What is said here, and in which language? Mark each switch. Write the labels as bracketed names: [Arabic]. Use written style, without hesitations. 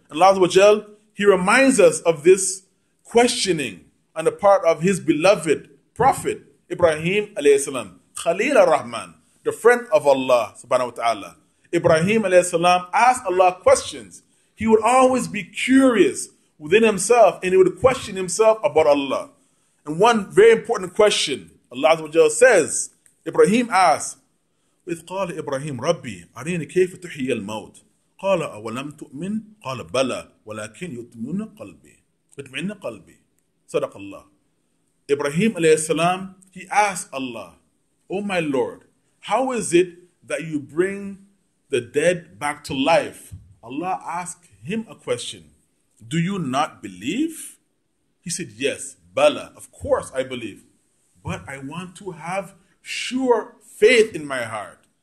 [English] And Allah Azza wa Jal, He reminds us of this questioning on the part of His beloved Prophet Ibrahim alayhi salam, Khalil ar-Rahman, the friend of Allah subhanahu wa ta'ala. Ibrahim alayhi salam asked Allah questions. He would always be curious within himself and he would question himself about Allah. And one very important question, Allah Azza wa Jal says, Ibrahim asked, [Arabic] إِذْ قَالَ إِبْرَاهِيمُ رَبِّي أَرِينِ كَيْفَ تُحْيِيَ الْمَوْتِ قَالَ أَوَلَمْ تُؤْمِنْ قَالَ بَلَى وَلَكِنْ يُطْمِنُ قَلْبِي يُطْمِنُ قَلْبِي صدق الله. [English] Ibrahim alayhi salam, he asked Allah, Oh my Lord, how is it that you bring the dead back to life? Allah asked him a question. Do you not believe? He said, Yes, bala, of course I believe. But I want to have sure faith in my heart.